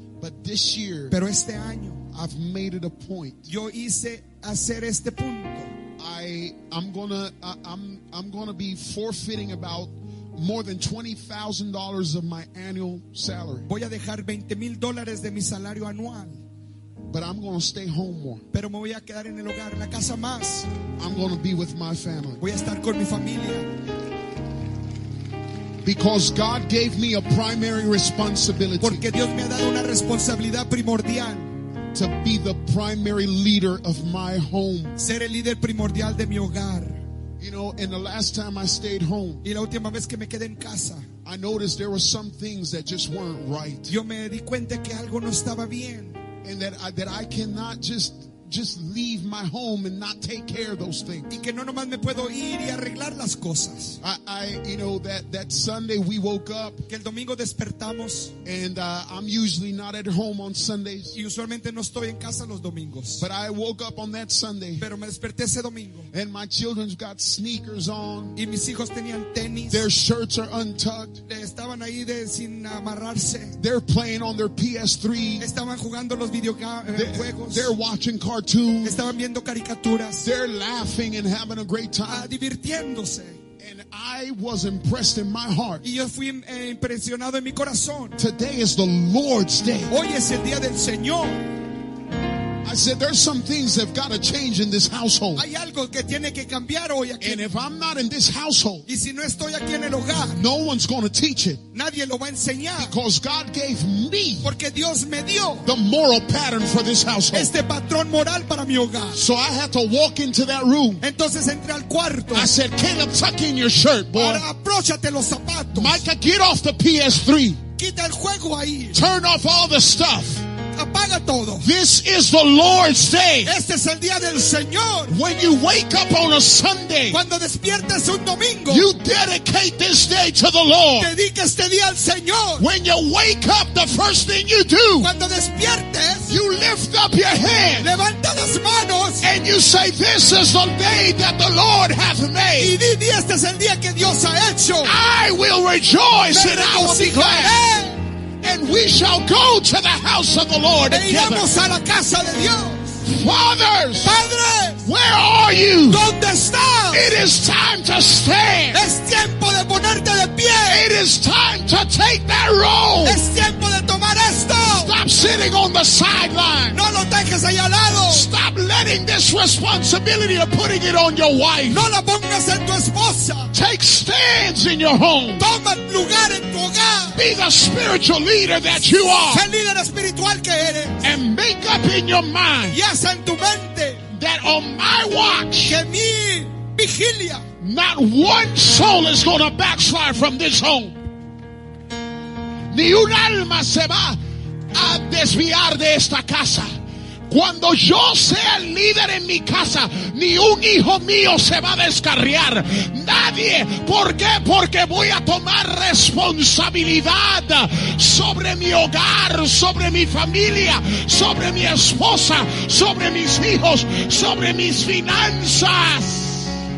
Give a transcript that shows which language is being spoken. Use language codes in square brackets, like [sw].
[en] But this year, [es] pero este año, [en] I've made it a point. [es] Yo hice hacer este punto. [en] I'm gonna be forfeiting about more than $20,000 of my annual salary. [es] Voy a dejar $20,000 de mi salario anual. [en] But I'm going to stay home more. [es] Pero me voy a quedar en el hogar, en la casa más. [en] I'm going to be with my family. [es] Voy a estar con mi familia. [en] Because God gave me a primary responsibility. [es] Porque Dios me ha dado una responsabilidad primordial. [en] To be the primary leader of my home. [es] Ser el líder primordial de mi hogar. [en] And the last time I stayed home, [es] y la última vez que me quedé en casa, [en] I noticed there were some things that just weren't right. [es] Yo me di cuenta que algo no estaba bien. [en] And that I cannot just leave my home and not take care of those things. [es] Y que no nomás me puedo ir y arreglar las cosas. [en] That Sunday we woke up. [es] Que el domingo despertamos. [en] And I'm usually not at home on Sundays. [es] Y usualmente no estoy en casa los domingos. [en] But I woke up on that Sunday. [es] Pero me desperté ese domingo. [en] And my children's got sneakers on. [es] Y mis hijos tenían tenis. [en] Their shirts are untucked. [es] Estaban ahí de sin amarrarse. [en] They're playing on their PS3. [es] Estaban jugando los videojuegos. [en] They're watching cartoons. [es] Estaban viendo caricaturas. [en] They're laughing and having a great time. [es] Divirtiéndose. [en] And I was impressed in my heart. [es] Y yo fui impresionado en mi corazón. [en] Today is the Lord's day. [es] Hoy es el día del Señor. [en] I said, there's some things that have got to change in this household. [es] Hay algo que tiene que cambiar hoy aquí. [en] And if I'm not in this household, [es] y si no estoy aquí en el hogar, [en] no one's going to teach it. [es] Nadie lo va a enseñar. [en] Because God gave me, [es] porque Dios me dio, [en] the moral pattern for this household. [es] Este patrón moral para mi hogar. [en] So I had to walk into that room. [es] Entonces entré al cuarto. [en] I said, Caleb, tuck in your shirt, boy. [es] Ahora apróchate los zapatos. [en] Micah, get off the PS3. [es] Quita el juego ahí. [en] Turn off all the stuff. [es] Apaga todo. [en] This is the Lord's day. [es] Este es el día del Señor. [en] When you wake up on a Sunday, [es] cuando despiertas un domingo, [en] you dedicate this day to the Lord. [es] Dedica este día al Señor. [en] When you wake up, the first thing you do, [es] cuando despiertes, [en] you lift up your hand, [es] levanta las manos, [en] and you say, this is the day that the Lord hath made. [es] Y di, este es el día que Dios ha hecho. [en] I will rejoice and I will be glad. And we shall go to the house of the Lord together. Fathers, [es] padres, [en] where are you? [es] ¿Dónde estás? [en] It is time to stand. [es] Es tiempo de ponerte de pie. [en] It is time to take that role. [es] Es tiempo de tomar esto. [en] Stop sitting on the sideline. [es] No lo dejes ahí al lado. [en] Stop letting this responsibility of putting it on your wife. [es] No la pongas en tu esposa. [en] Take stands in your home. [es] Toma lugar en tu hogar. [en] Be the spiritual leader that you are. [es] El líder espiritual que eres. [en] And make up in your mind. [es] En tu mente, [en] that on my watch, [es] que mi vigilia, [en] not one soul is going to backslide from this home. [es] Ni un alma se va a desviar de esta casa. Cuando yo sea el líder en mi casa, ni un hijo mío se va a descarriar. Nadie. ¿Por qué? Porque voy a tomar responsabilidad sobre mi hogar, sobre mi familia, sobre mi esposa, sobre mis hijos, sobre mis finanzas.